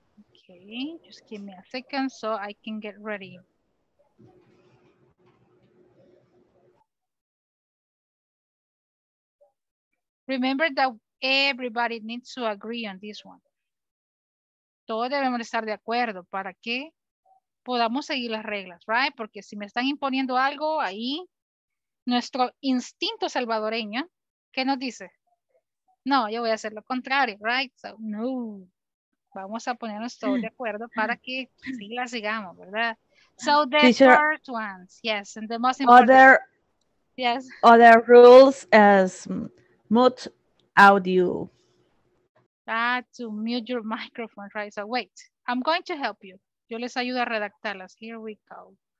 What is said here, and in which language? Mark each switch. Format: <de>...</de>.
<en>Okay, just give me a second so I can get ready. Remember that everybody needs to agree on this one.</en> <es>Todos debemos estar de acuerdo para que podamos seguir las reglas, right? Porque si me están imponiendo algo ahí, nuestro instinto salvadoreño, ¿qué nos dice? No, yo voy a hacer lo contrario, right? So, no. Vamos a ponernos todos de acuerdo para que sí la sigamos, ¿verdad?</es> <en>So, the teacher, first ones, yes, and the most important. Other, yes. Other rules as mute audio. To mute your microphone, right? So, wait, I'm going to help you.</en> <es>Yo les ayudo a redactarlas.</es> <en>Here we go.</en>